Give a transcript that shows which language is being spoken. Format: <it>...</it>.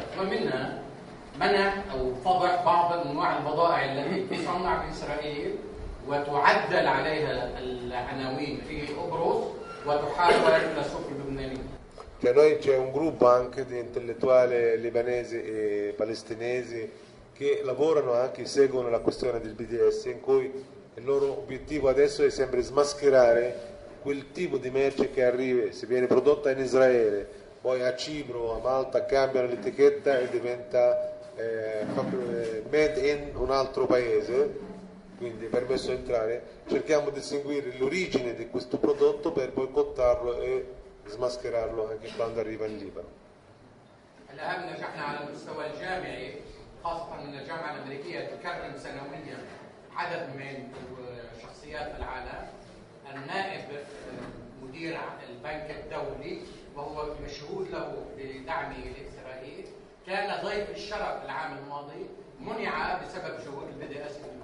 <ar>منع او فضع بعض انواع البضائع التي تصنع في اسرائيل وتعدل عليها العناوين في قبرص وتحاول الى السوق اللبناني.</ar> <it>Cioè noi c'è un gruppo anche di intellettuali libanesi e palestinesi che lavorano anche, seguono la questione del BDS, in cui il loro obiettivo adesso è sempre smascherare quel tipo di merce che arriva, se viene prodotta in Israele, poi a Cipro o a Malta cambiano l'etichetta e diventa made in un altro paese, quindi permesso entrare, cerchiamo di seguire l'origine di questo prodotto per boicottarlo e smascherarlo anche quando arriva in Libano.</it> <ar>النائب مدير البنك الدولي وهو مشهود له بدعمه لإسرائيل كان ضيف الشرف العام الماضي منع بسبب جهود البي دي اس</ar>